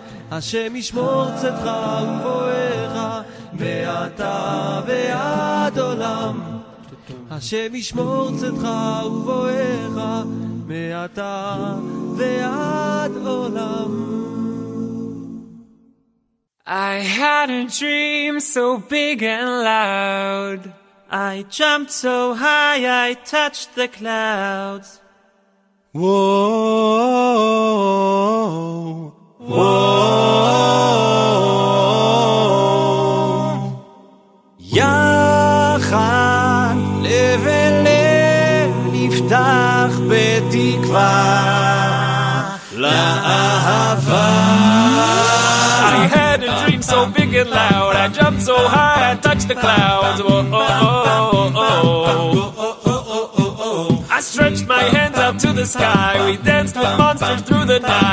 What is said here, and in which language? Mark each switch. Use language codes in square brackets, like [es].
[he] השם ישמור צאתך ובואך, מעתה ועד עולם. השם ישמור צאתך ובואך, מעתה ועד עולם. [en] I had a dream so big and loud. I jumped so high, I touched the clouds. [he] Whoa, whoa, יחד לב אל לב נפתח בתקווה לאהבה. [en] I had a dream so big and loud, I jumped so high, I touched the clouds. Whoa, oh, oh, oh, oh. I stretched my hands up to the sky, we danced with monsters through the night.